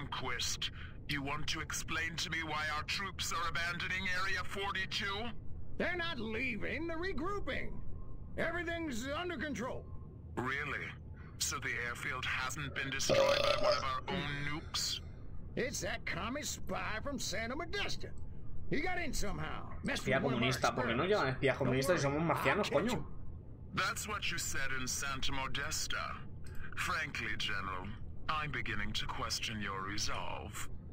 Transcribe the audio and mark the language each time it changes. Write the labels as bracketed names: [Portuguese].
[English] Quest, you want to explain to me why our troops are abandoning Area 42? They're not leaving, they're regrouping. Everything's under control. Really? So the airfield hasn't been destroyed by one of our own nukes? It's that commie spy from Santa Modesta. He got in somehow. [Spanish] Espía comunista, ¿por qué no llaman espía comunista si somos marcianos, coño? [English] That's what you said in Santa Modesta. Frankly, General, I'm beginning to question your resolve.